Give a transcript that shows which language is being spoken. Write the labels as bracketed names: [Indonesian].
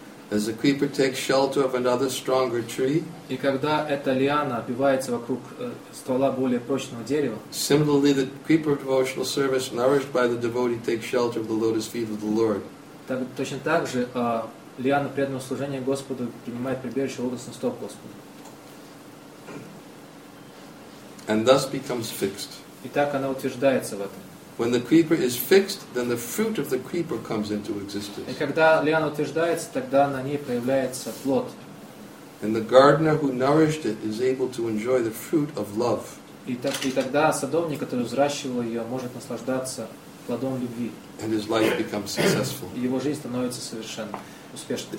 [English] As the creeper takes shelter of another stronger tree, [Russian] и когда эта лиана обвивается вокруг ствола более прочного дерева, [English] similarly the creeper of devotional service, nourished by the devotee, takes shelter of the lotus feet of the Lord. [Russian] Так точно так же лиана преданного служения Господу принимает прибежище лотосных стоп Господа. [English] And thus becomes fixed. [Russian] И так она утверждается в этом. [English] When the creeper is fixed, then the fruit of the creeper comes into existence. [Russian] И когда лиана утверждается, тогда на ней появляется плод. [English] And the gardener who nourished it is able to enjoy the fruit of love. [Russian] И тогда садовник, который взращивал ее, может наслаждаться плодом любви. [English] And his life becomes successful. [Russian] И его жизнь становится совершенно успешной.